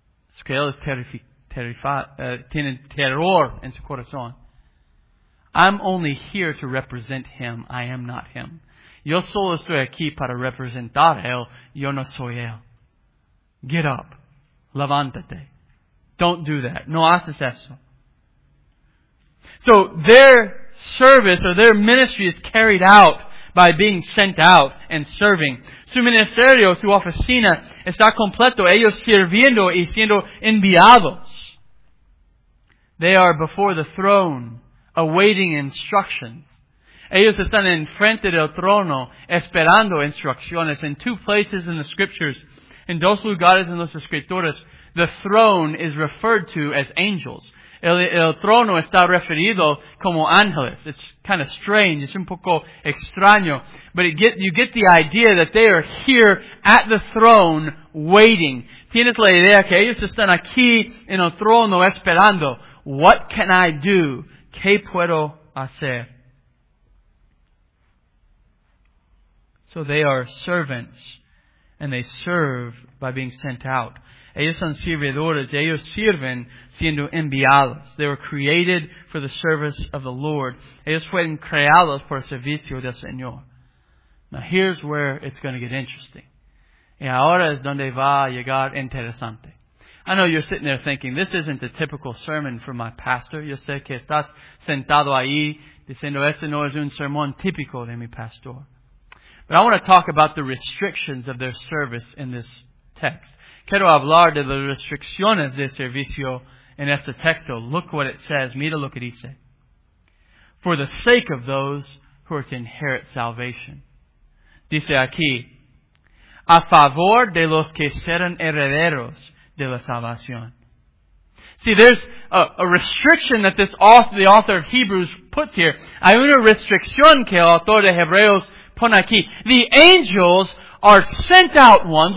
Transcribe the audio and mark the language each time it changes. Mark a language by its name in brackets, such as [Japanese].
[English] It's because [Spanish] él es tiene terror en su corazón. [English] I'm only here to represent Him. I am not Him. [Spanish] Yo solo estoy aquí para representar a Él. Yo no soy Él. [English] Get up. [Spanish] Levántate. [English] Don't do that. [Spanish] No haces eso. [English] So their service or their ministry is carried out by being sent out and serving. [Spanish] Su ministerio, su oficina, está completo. Ellos sirviendo y siendo enviados. [English] They are before the throne. Awaiting instructions. [Spanish] Ellos están en frente del trono esperando instrucciones. [English] In two places in the scriptures, [Spanish] en dos lugares en las escrituras, [English] the throne is referred to as angels. [Spanish] El trono está referido como ángeles. [English] It's kind of strange. It's [Spanish] un poco extraño. [English] But you get the idea that they are here at the throne waiting. [Spanish] Tienes la idea que ellos están aquí en el trono esperando. [English] What can I do? [Spanish] ¿Qué puedo hacer? [English] So they are servants and they serve by being sent out. [Spanish] Ellos son servidores. Ellos sirven siendo enviados. [English] They were created for the service of the Lord. [Spanish] Ellos fueron creados por el servicio del Señor. [English] Now here's where it's going to get interesting. [Spanish] Y ahora es donde va a llegar interesante. [English] I know you're sitting there thinking, this isn't a typical sermon from my pastor. [Spanish] Yo sé que estás sentado ahí diciendo, este no es un sermón típico de mi pastor. [English] But I want to talk about the restrictions of their service in this text. [Spanish] Quiero hablar de las restricciones de servicio en este texto. [English] Look what it says. [Spanish] Mira lo que dice. [English] For the sake of those who are to inherit salvation. [Spanish] Dice aquí, a favor de los que serán herederos de la salvación. [English] See, there's a restriction that the author of Hebrews puts here. [Spanish] Hay una restricción que el autor de Hebreos pone aquí. [English] The angels are sent out ones.